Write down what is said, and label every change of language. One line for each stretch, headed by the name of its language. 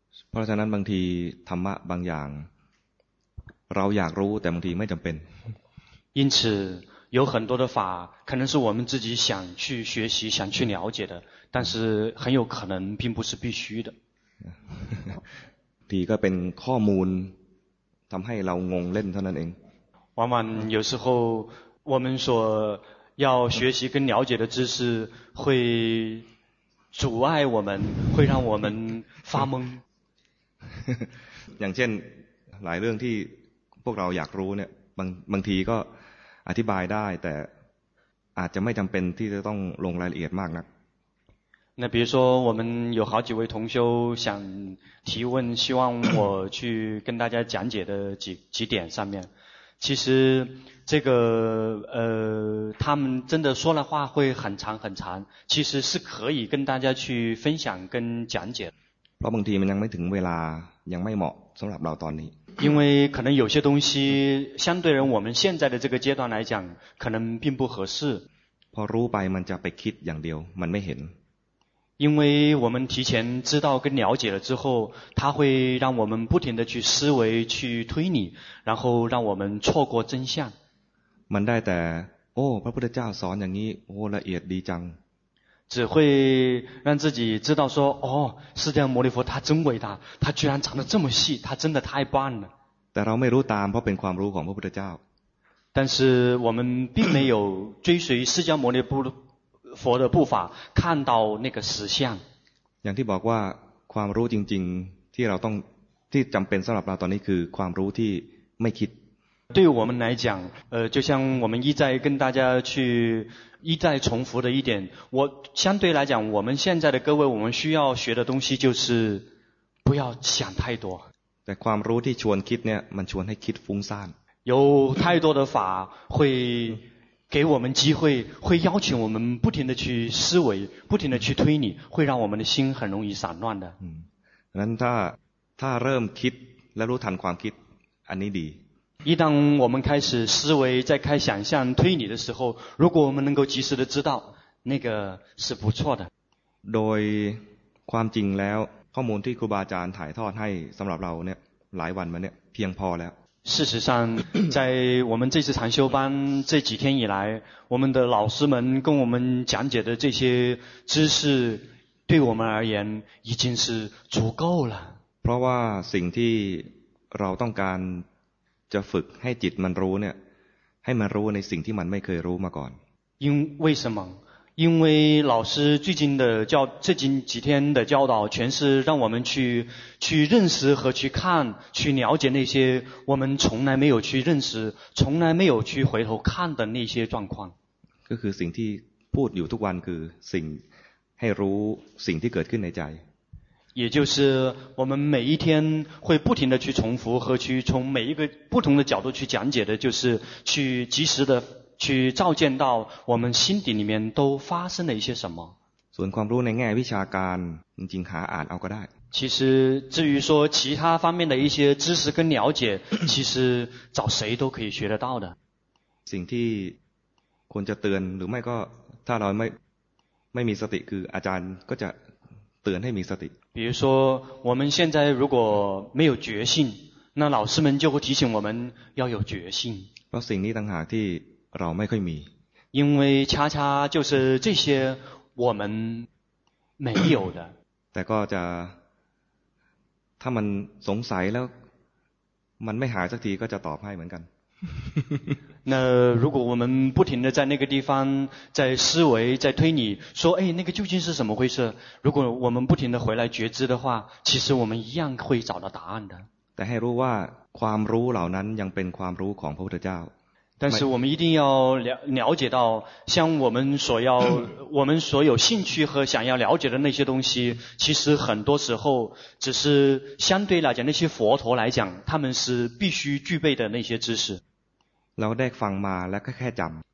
Thai: เพราะฉะนั้นบางทีธรรมะบางอย่างเราอยากรู้แต่บางทีไม่จำเป็น
Chinese: 因此有很多的法可能是我们自己想去学习想去了解的但是很有可能并不是必须的
Thai: ทีก็เป็นข้อมูลทำให้เรางงเล่นเท่านั้นเอง
Chinese: 往往有时候我们所要学习跟了解的知识会阻碍我们会让我们发懵
Thai: อย่างเช่นหลายเรื่องที่พวกเราอยากรู้เนี่ยบางทีก็อธิบายได้แต่อาจจะไม่จำเป็นที่จะต้องลงรายละเอียดมากนัก
Chinese: 那比如说我们有好几位同修想提问希望我去跟大家讲解的几点上面其实这个他们真的说的话会很长很长其实是可以跟大家去分享跟讲解
Thai: เพราะบางทีมันยังไม่ถึงเวลายังไม่เหมาะสำหรับเราตอนนี้
Chinese: 因为可能有些东西相对人我们现在的这个阶段来讲可能并不合适
Thai: พอรู้ไปมันจะไปคิดอย่างเดียวมันไม่เห็น
Chinese: 因为我们提前知道跟了解了之后它会让我们不停地去思维去推理然后让我们错过真相
Thai: มันได้แต่โอ้พระพุทธเจ้าสอนอย่างนี้โอ้ละเอียดดีจัง
Chinese: 只会让自己知道说哦释迦牟尼佛他真伟大他居然藏得这么细他真的太棒了
Thai: แต่เราไม่รู้ตามเพราะเป็นความรู้ของพระพุทธเจ้า
Chinese: 但是我们并没有追随释迦牟尼佛的步伐看到那个实相
Thai: อย่างที่บอกว่าความรู้จริงๆที่เราต้องที่จำเป็นสำหรับเราตอนนี้คือความรู้ที่ไม่คิด
Chinese: 对我们来讲，就像我们一再跟大家去一再重复的一点，我相对来讲，我们现在的各位，我们需要学的东西就是不要想太多。
Thai: แต่ความรู้ที่ชวนคิดเนี่ยมันชวนให้คิดฟุ้งซ่าน
Chinese: 有太多的法会给我们机会，会邀请我们不停的去思维，不停的去推理，会让我们的心很容易散乱的。
Thai: นั้นถ้าเริ่มคิดและรู้ทันความคิดอันนี้ดี
Chinese: 一旦我们开始思维，在开想象推理的时候，如果我们能够及时的知道，那个是不错的。
Thai: โดยความจริงแล้วข้อมูลที่ครูบาอาจารย์ถ่ายทอดให้สำหรับเราเนี่ยหลายวันมาเนี่ยเพียงพอแล้ว
Chinese: 事实上在我们这次禅修班这几天以来，我们的老师们跟我们讲解的这些知识对我们而言已经是足够了。
Thai: เพราะว่าสิ่งที่เราต้องการจะฝึกให้จิตมันรู้เนี่ยให้มันรู้ในสิ่งที่มันไม่เคยรู้มาก่อน
Chinese: 为什么因为老师最近的教这近几天的教导全是让我们去认识和去看去了解那些我们从来没有去认识从来没有去回头看的那些状况
Thai: ก็คือสิ่งที่พูดอยู่ทุกวันคือสิ่งให้รู้สิ่งที่เกิดขึ้นในใจ
Chinese: 也就是我们每一天会不停的去重复和去从每一个不同的角度去讲解的就是去及时的去照见到我们心底里面都发生了一些什么
Thai: ส่วนความรู้ในแง่วิชาการจริงๆหาอ่านเอาก็ได้
Chinese: 其实至于说其他方面的一些知识跟了解其实找谁都可以学得到的
Thai: สิ่งที่ควรจะเตือนหรือไม่ก็ถ้าเราไม่มีสติคืออาจารย์ก็จะเตือนให้มีสติ
Chinese: 比如说我们现在如果没有决心那老师们就会提醒我们要有决心
Thai: เพราะสิ่งนี้ต่างหากที่เราไม่ค่อยมี
Chinese: 因为恰恰就是这些我们没有的
Thai: แต่ก็จะถ้ามันสงสัยแล้วมันไม่หายสักทีก็จะตอบให้เหมือนกัน
Chinese: 那如果我们不停的在那个地方在思维在推理说哎那个究竟是什么回事如果我们不停的回来觉知的话其实我们一样会找到答案的
Thai: แต่ให้รู้ว่าความรู้เหล่านั้นยังเป็นความรู้ของพระพุทธเจ้า
Chinese: 但是我们一定要了解到像我们所要我们所有兴趣和想要了解的那些东西其实很多时候只是相对来讲那些佛陀来讲他们是必须具备的那些知识
Thai: เราได้ฟังมาแล้วก็แค่จำ